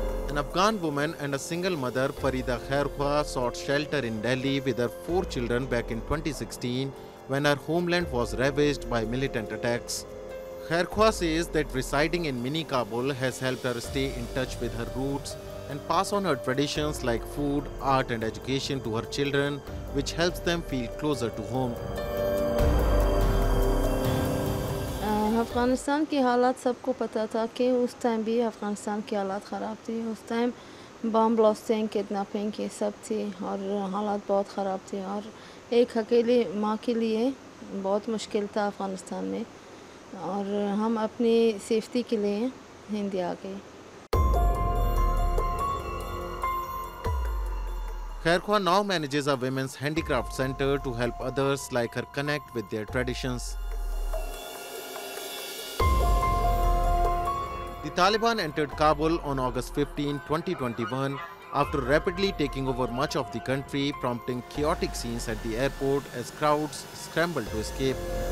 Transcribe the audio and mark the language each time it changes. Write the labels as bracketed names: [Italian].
[English] An Afghan woman and a single mother, Farida Khairkhwa, sought shelter in Delhi with her four children back in 2016 when her homeland was ravaged by militant attacks. Khairkhwa says that residing in Mini Kabul has helped her stay in touch with her roots and pass on her traditions like food, art and education to her children, which helps them feel closer to home. [Urdu] Afghanistan کی حالات سب کو پتہ تھا کہ اس time بھی افغانستان کی حالات خراب تھی اس ٹائم بم بلاسٹیں کڈنیپنگ کی سب تھی اور حالات بہت خراب تھی اور ایک اکیلی ماں کے لیے بہت مشکل تھا افغانستان میں اور ہم اپنی سیفٹی کے لیے ہند آ گئے [English] Khairkhwa now manages a women's handicraft center to help others like her connect with their traditions. The Taliban entered Kabul on August 15, 2021, after rapidly taking over much of the country, prompting chaotic scenes at the airport as crowds scrambled to escape.